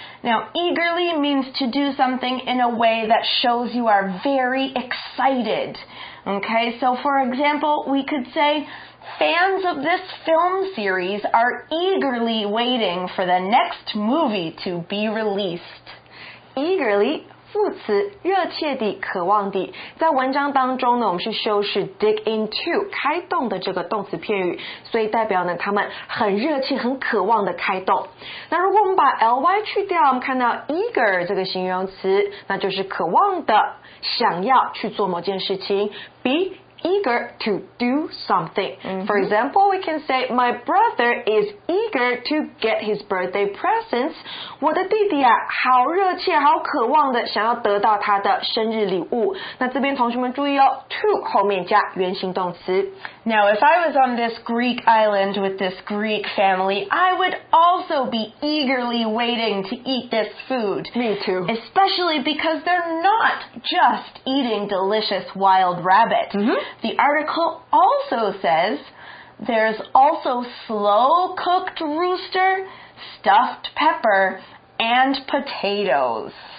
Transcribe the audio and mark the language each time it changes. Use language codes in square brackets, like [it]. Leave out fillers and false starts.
[en] Now, eagerly means to do something in a way that shows you are very excited. Okay, so for example, we could say, fans of this film series are eagerly waiting for the next movie to be released. [zh] Eagerly, 副词，热切地，渴望地。在文章当中呢，我们是修饰 dig into 开动的这个动词片语，所以代表呢，他们很热切，很渴望的开动。那如果我们把 ly 去掉，我们看到 eager 这个形容词，那就是渴望的，想要去做某件事情。 [en] Be eager to do something.、Mm-hmm. For example, we can say, my brother is eager to get his birthday presents. [zh] 我的弟弟啊，好热切，好渴望的想要得到他的生日礼物。那这边同学们注意哦， to 后面加原形动词。 [en] Now, if I was on this Greek island with this Greek family, I would also be eagerly waiting to eat this food. Me too. Especially because they're not just eating delicious wild rabbit. Mm-hmm. The article also says there's also slow-cooked rooster, stuffed pepper, and potatoes.